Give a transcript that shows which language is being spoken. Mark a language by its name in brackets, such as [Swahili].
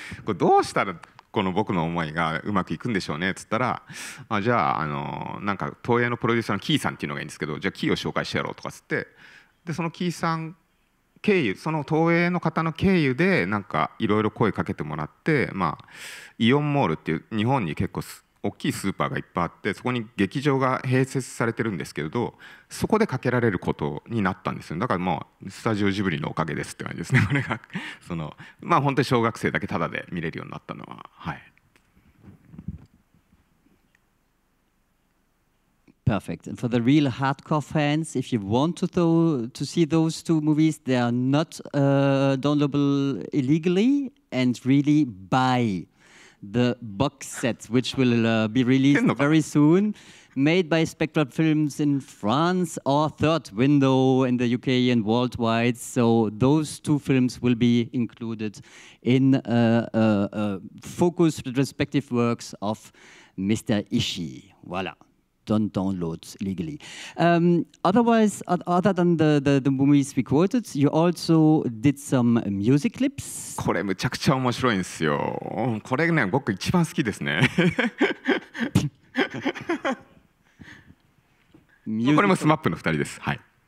[Japanese] これどうしたらこの僕の思いがうまくいくんでしょうねっつったら、あ、じゃあなんか東映のプロデューサーのキーさんっていうのがいいんですけど、じゃあキーを紹介してやろうとかつって、でそのキーさん経由、その東映の方の経由でなんかいろいろ声かけてもらって、まあイオンモールっていう日本に結構大きいスーパーがいっぱいあって、そこに劇場が併設されてるんですけれど、そこでかけられることになったんですよ。だからもうスタジオジブリのおかげですって感じですね、これが。そのまあ本当に小学生だけタダで見れるようになったのは、はい。 [English] Perfect. And for the real hardcore fans, if you want to see those two movies, they are not downloadable illegally and really buy the box set, which will be released very soon, made by Spectral Films in France or Third Window in the UK and worldwide. So those two films will be included in focused retrospective works of Mr. Ishii. Voilà. Don't download legally. Otherwise, other than the movies we quoted, you also did some music clips. [Japanese] これむちゃくちゃ面白いんですよ。これね、僕一番好きですね。これもスマップの二人です。はい。